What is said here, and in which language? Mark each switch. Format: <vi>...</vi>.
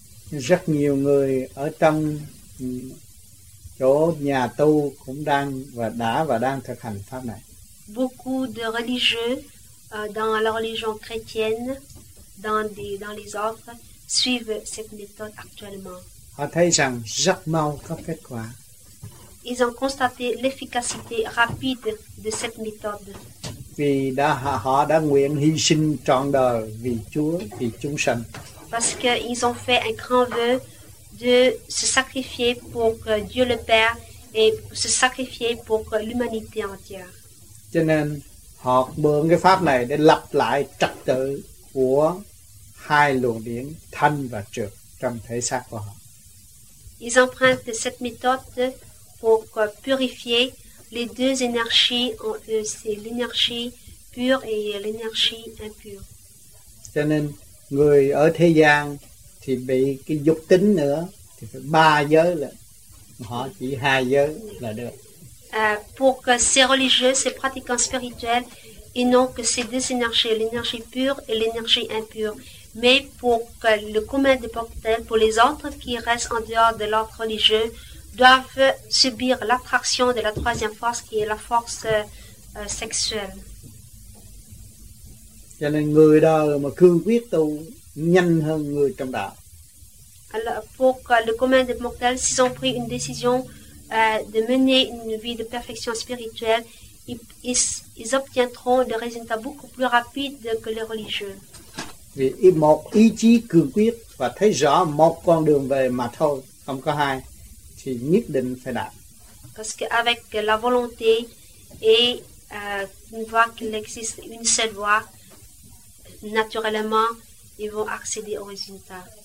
<vi>Rất nhiều người ở trong chỗ nhà tu cũng đang thực hành pháp này.</vi> <fr>Beaucoup de religieux dans la religion chrétienne, dans les ordres, suivent cette méthode actuellement.</fr> <vi>Họ thấy rằng rất mau có kết quả.</vi> <fr>Ils ont constaté l'efficacité rapide de cette méthode.</fr> <vi>Vì đã họ đã nguyện hy sinh trọn đời vì Chúa, vì chúng sanh.</vi> <fr>Parce qu'ils ont fait un grand vœu de se sacrifier pour Dieu le Père et se sacrifier pour l'humanité entière.</fr> <vi>Cho nên họ mượn cái pháp này để lập lại trật tự của hai luồng điển thanh và trược trong thể xác của họ.</vi> <fr>Ils empruntent cette méthode pour purifier les deux énergies en eux, c'est l'énergie pure et l'énergie impure.</fr> <vi>Cho nên người ở thế gian thì bị cái dục tính nữa thì phải ba giới là họ chỉ hai giới là được.</vi> <fr>Pour que ces religieux, ces pratiquants spirituels, ils n'ont que ces deux énergies, l'énergie pure et l'énergie impure. Mais pour que le commun des mortels, pour les autres qui restent en dehors de l'ordre religieux, doivent subir l'attraction de la troisième force qui est la force sexuelle.</fr> <vi>Cho nên người đời mà cương quyết tu nhanh hơn người trong đạo.</vi> <fr>Alors, pour le commun des mortels, s'ils ont pris une décision de mener une vie de perfection spirituelle, ils obtiendront des résultats beaucoup plus rapides que les religieux.</fr> <vi>Vì một ý chí cương quyết và thấy rõ một con đường về mà thôi, không có hai, thì nhất định phải đạt.</vi> <fr>Parce qu'avec la volonté et une voie qu'il existe une seule voie, naturellement, ils vont accéder au résultat.</fr>